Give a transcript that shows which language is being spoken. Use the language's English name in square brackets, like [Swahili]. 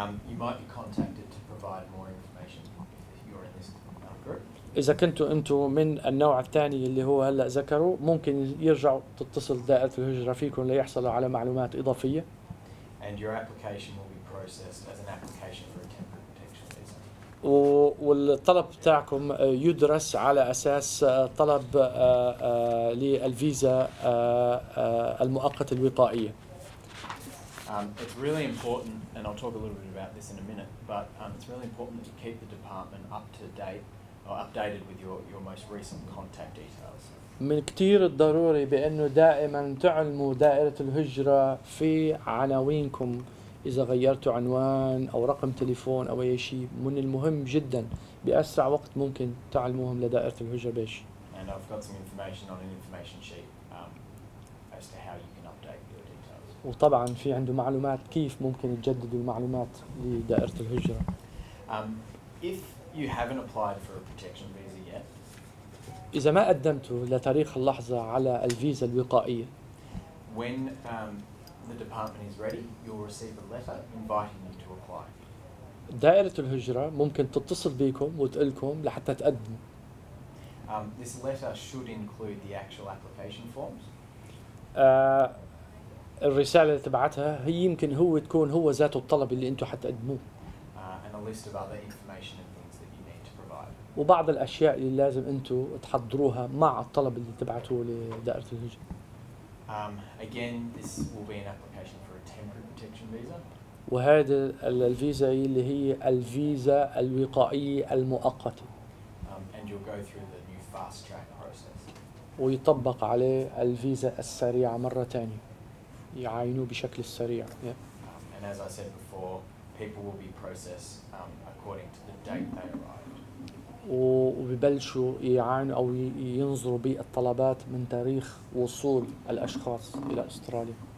[English] You might be contacted to provide more information if you're in this group. [Arabic] إذا كنتوا أنتوا من النوع الثاني اللي هو هلا ذكروا ممكن يرجعوا تتصل دائرة الهجرة فيكم ليحصلوا على معلومات إضافية. [English] And your application will be processed as an application for a temporary. [Arabic] والطلب بتاعكم يدرس على أساس طلب للفيزا المؤقتة الوقائية. [English] It's really important, and I'll talk a little bit about this in a minute, but it's really important that you keep the department up to date or updated with your most recent contact details. [Arabic] من كتير الضروري بأنه دائما تعلموا دائرة الهجرة في عناوينكم. إذا غيرت عنوان أو رقم تليفون أو أي شيء من المهم جدا بأسرع وقت ممكن تعلموهم لدائرة الهجرة بيش. [English] And I've got some information on an information sheet as to how you can update your details. [Arabic] وطبعا في عنده معلومات كيف ممكن تجدد المعلومات لدائرة الهجرة. [English] If you haven't applied for a protection visa yet. [Arabic] إذا ما قدمتوا لتاريخ اللحظة على الفيزا الوقائية. [English] When the department is ready, you'll receive a letter inviting you to apply. [Arabic] دائرة الهجرة ممكن تتصل بيكم وتقلكم لحتى تقدموا. [English] This letter should include the actual application forms. [Arabic] الرسالة اللي تبعتها هي يمكن هو تكون هو ذاته الطلب اللي انتو حتقدموه. [English] And a list of other information and things that you need to provide. [Arabic] وبعض الأشياء اللي لازم انتو تحضروها مع الطلب اللي تبعتوه لدائرة الهجرة. [English] Again, this will be an application for a temporary protection visa. [Arabic] وهذا الفيزا اللي هي الفيزا الوقائية المؤقتة. [English] And you'll go through the new fast track process. [Arabic] ويطبق عليه الفيزا السريعة مرة تانية. يعينوه بشكل سريع. Yeah. [English] And as I said before, people will be processed according to the date they arrived. [Arabic] وبيبلشوا يعانوا أو ينظروا بالطلبات من تاريخ وصول الأشخاص إلى أستراليا.